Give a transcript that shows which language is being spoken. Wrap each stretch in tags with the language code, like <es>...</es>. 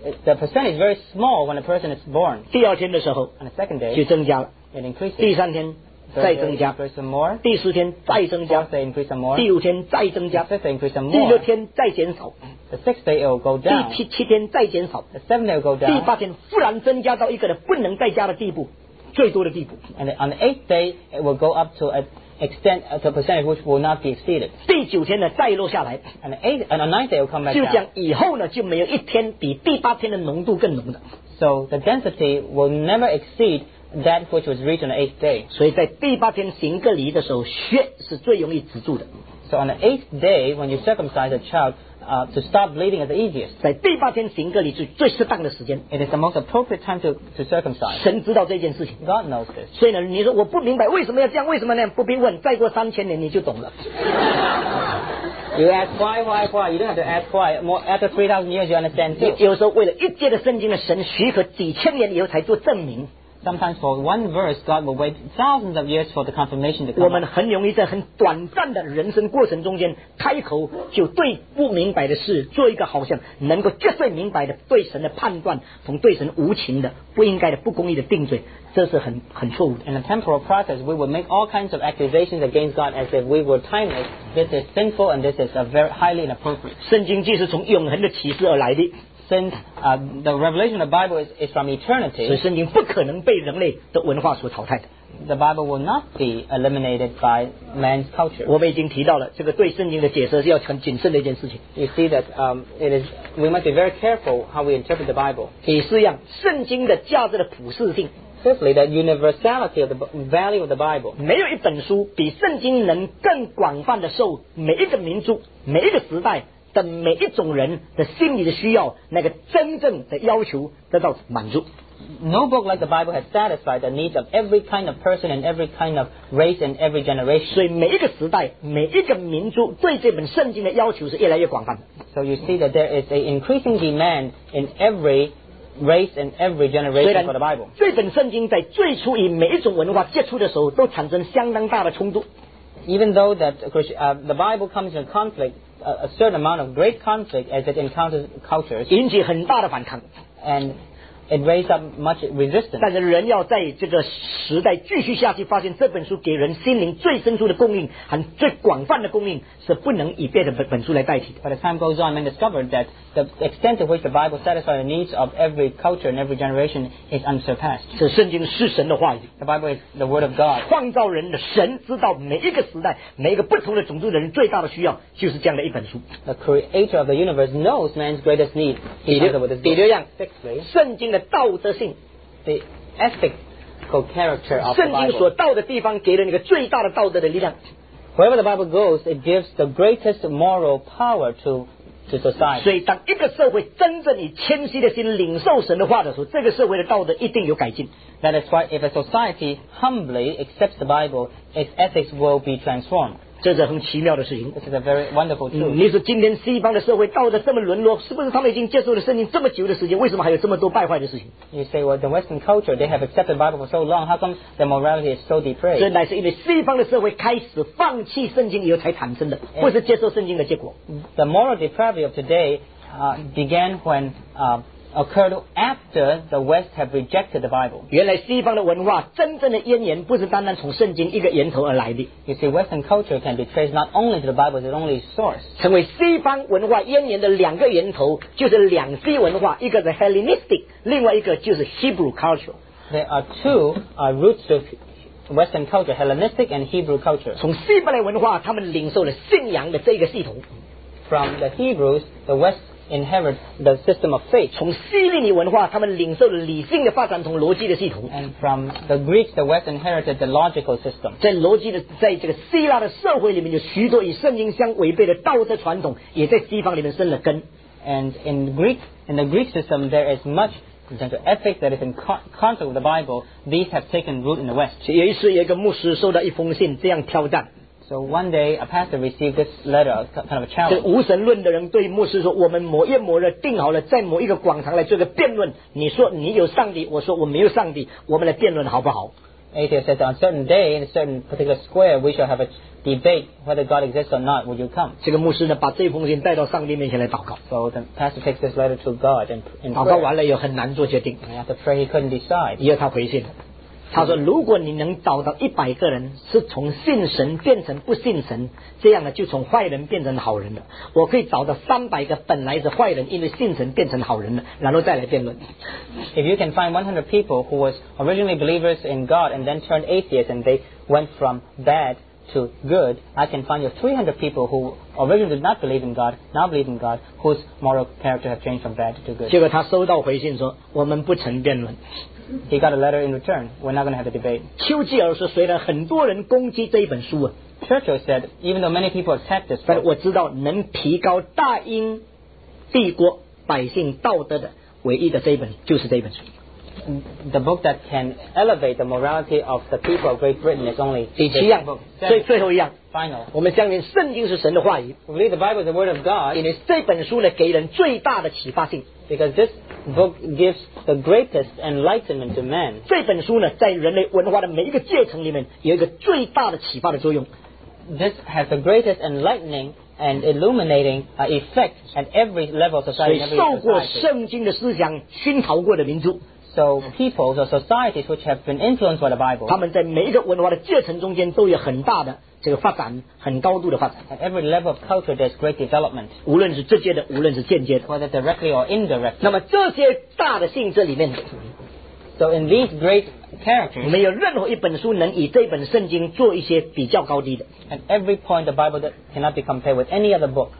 <en>The percentage is very small when a person is born.</en> <zh>第二天的时候，</zh> <en>on the second day,</en> <zh>就增加了。</zh> <en>It increases.</en> <zh>第三天。再增加</zh> <en>some more,</en> <zh>第四天再增加</zh> <en>day increase some more,</en> <zh>第五天再增加</zh> <en>day increase some more,</en> <zh>第六天再减少</zh> <en>the sixth day it will go down,</en> <zh>第 七天再减少</zh> <en>the seventh day it will go down,</en> <zh>第八天忽然增加到一个人不能再加的地步最多的地步</zh> <en>and on the eighth day it will go up to an extent to a percentage which will not be exceeded</en> <zh>第九天呢再落下来</zh> <en>and on the ninth day it will come back down</en> <zh>就这样以后呢就没有一天比第八天的浓度更浓的</zh> <en>so the density will never exceed that which was reached on the 8th day.</en> <zh>所以在第八天行割礼的时候，血是最容易止住的。</zh> <en>So on the 8th day, when you circumcise a child, to stop bleeding is the easiest.</en> <zh>在第八天行割礼是最适当的时间。</zh> <en>It is the most appropriate time to circumcise.</en> <zh>神知道这件事情。</zh> <en>God knows this.</en> <zh>所以呢，你说我不明白为什么要这样，为什么那样，不必问，再过3000年你就懂了。</zh> <en>You ask why? You don't have to ask why. More after 3000 years, you understand too.</en> <zh>有时候为了一节的圣经的神许可，几千年以后才做证明。</zh> <en>Sometimes for one verse, God will wait thousands of years for the confirmation to come.</en> <zh>我们很容易在很短暂的人生过程中间，开口就对不明白的事做一个好像能够绝对明白的对神的判断，从对神无情的、不应该的、不公义的定罪，这是很错误的。</zh> <en>In the temporal process, we will make all kinds of accusations against God as if we were timeless. This is sinful and this is a very highly inappropriate.</en> <zh>圣经既是从永恒的启示而来的。</zh> <en>Since the revelation of the Bible is from eternity,</en> <zh>所以圣经不可能被人类的文化所淘汰的。</zh> <en>The Bible will not be eliminated by man's culture.</en> <zh>我们已经提到了这个对圣经的解释是要很谨慎的一件事情。</zh> <en>You see that we must be very careful how we interpret the Bible.</en> <zh>第四样，圣经的价值的普世性。</zh> <en>Firstly, the universality of the value of the Bible.</en> <zh>没有一本书比圣经能更广泛的受每一个民族、每一个时代。的每一种人的心理的需要，那个真正的要求得到满足。</zh> <en>No book like the Bible has satisfied the needs of every kind of person and every kind of race and every generation.</en> <zh>所以每一个时代，每一个民族对这本圣经的要求是越来越广泛。</zh> <en>So you see that there is an increasing demand in every race and every generation for the Bible.</en> <zh>这本圣经在最初与每一种文化接触的时候，都产生相当大的冲突。</zh> <en>Even though that the Bible comes in conflict. A certain amount of great conflict as it encounters cultures,</en> <zh>引起很大的反抗</zh> <en>and it raised up much resistance.</en> <zh>但是人要在这个时代继续下去，发现这本书给人心灵最深处的供应和最广泛的供应是不能以别的本书来代替的。</zh> <en>But as time goes on, men discovered that the extent to which the Bible satisfies the needs of every culture and every generation is unsurpassed.</en> <zh>是圣经是神的话语。</zh> <en>The Bible is the word of God.</en> <zh>创造人的神知道每一个时代、每一个不同的种族的人最大的需要就是这样的一本书。</zh> <en>The creator of the universe knows man's greatest need.</en> <zh>比如这样</zh> <en>，sixthly，</en> <zh>圣经的道德性</zh> <en>，the ethical character of the Bible，</en> <zh>圣经所到的地方给了你个最大的道德的力量。</zh> <en>Wherever the Bible goes, it gives the greatest moral power to society.</en> <zh>所以，当一个社会真正以谦虚的心领受神的话的时候，这个社会的道德一定有改进。</zh> <en>That is why, if a society humbly accepts the Bible, its ethics will be transformed.</en> <zh>这是很奇妙的事情。</zh> <en>This is a very wonderful truth.</en> <zh>你说今天西方的社会道德这么沦落，是不是他们已经接受了圣经这么久的时间？为什么还有这么多败坏的事情</zh> <en>？You say, well, the Western culture they have accepted the Bible for so long. How come the morality is so depraved?</en> <zh>这乃是因为西方的社会开始放弃圣经以后才产生的，不是接受圣经的结果。</zh> <en>The moral depravity of today, began when, occurred after the West have rejected the Bible.</en> <zh>原来西方的文化真正的渊源不是单单从圣经一个源头而来的。</zh> <en>You see, Western culture can be traced not only to the Bible, but only source.</en> <zh>成为西方文化渊源的两个源头就是两西文化，一个是 Hellenistic， 另外一个就是</zh> <en>Hebrew culture. There are two roots of Western culture, Hellenistic and Hebrew culture.</en> <zh>从希伯来文化，他们领受了信仰的这个系统。</zh> <en>From the Hebrews, the West. Inherit the system of faith.</en> <zh>从希利尼文化，他们领受了理性的发展同逻辑的系统。</zh> <en>And from the Greeks, the West inherited the logical system.</en> <zh>在逻辑的，在这个希腊的社会里面，有许多与圣经相违背的道德传统，也在西方里面生了根。</zh> <en>And in the Greek system, there is much potential ethics that is in conflict with the Bible. These have taken root in the West.</en> <zh>有一次，有一个牧师收到一封信，这样挑战。</zh> <en>So one day, a pastor received this letter, kind of a challenge.</en> <zh>这无神论的人对牧师说：“我们某夜某日定好了，在某一个广场来做个辩论。你说你有上帝，我说我没有上帝，我们来辩论好不好</zh> <en>？”Atheist says, "On a certain day, in a certain particular square, we shall have a debate whether God exists or not. Would you come?"</en> <zh>这个牧师呢，把这封信带到上帝面前来祷告。</zh> <en>So the pastor takes this letter to God and prayer.</en> <zh>祷告完了以后很难做决定。</zh> <en>After praying, he couldn't decide.</en> <zh>以后他回信了。他说：“如果你能找到100个人是从信神变成不信神，这样呢就从坏人变成好人了。我可以找到300个本来是坏人，因为信神变成好人了，然后再来辩论。”</zh> <en>If you can find 100 people who was originally believers in God and then turned atheists and they went from bad to good, I can find you 300 people who originally did not believe in God, now believe in God, whose moral character have changed from bad to good.</en> <zh>结果他收到回信说：“我们不成辩论。”</zh> <en>He got a letter in return. We're not going to have a debate.</en> <zh>丘吉尔说：“虽然很多人攻击这一本书啊。”</zh> <en>Churchill said, even though many people attack this, but</en> <zh>我知道能提高大英帝国百姓道德的唯一的这一本就是这一本书。</zh> <en>The book that can elevate the morality of the people of Great Britain is only this book.</en> <zh>第七样，最后一样。</zh> <en>Final.</en> <zh>我们相信圣经是神的话语。</zh> <en>We believe the Bible is the word of God.</en> <zh>因为这本书呢，给人最大的启发性。</zh> <en>Because this book gives the greatest enlightenment to man.</en> <zh>这本书呢，在人类文化的每一个阶层里面，有一个最大的启发的作用。</zh> <en>This has the greatest enlightening. And illuminating effect at every level of society.</en> <zh>所以受过圣经的思想熏陶过的民族</zh> <en>，so peoples or societies which have been influenced by the Bible,</en> <zh>他们在每一个文化的阶层中间都有很大的这个发展，很高度的发展。</zh> <en>At every level of culture, there's great development.</en> <zh>无论是直接的，无论是间接的</zh> <en>，whether directly or indirectly.</en> <zh>那么这些大的性质里面</zh> <en>，so in these great characters,</en> <zh>没有任何一本书能以这本圣经做一些比较高低的。</zh> <en>And every point the Bible that cannot be compared with any other book.</en>